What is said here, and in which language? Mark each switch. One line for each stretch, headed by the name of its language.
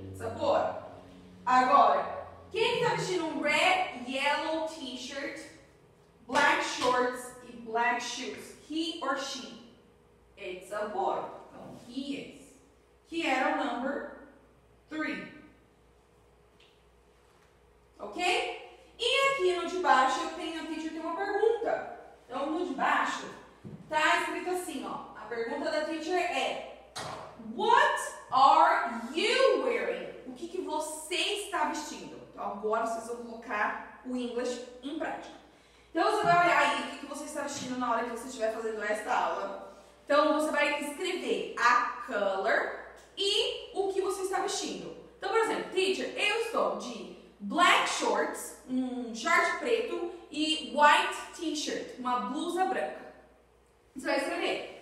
Portuguese: Sabor? Agora, quem tá vestindo um
English: red, yellow t-shirt, black shorts e black shoes? He or she? It's a boy.
Portuguese: Então,
English: he is.
Portuguese: Que era o number 3. Ok? E aqui no de baixo, eu tenho aqui, teacher tem uma pergunta. Então, no de baixo, tá escrito assim, ó. A pergunta da teacher é,
English: what are you wearing?
Portuguese: O que que você está vestindo? Então, agora vocês vão colocar o inglês em prática. Então, você vai olhar aí o que que você está vestindo na hora que você estiver fazendo esta aula. Então, você vai escrever a color e o que você está vestindo. Então, por exemplo, teacher, eu estou de
English: black shorts,
Portuguese: um short preto e
English: white t-shirt,
Portuguese: uma blusa branca. Você vai escrever.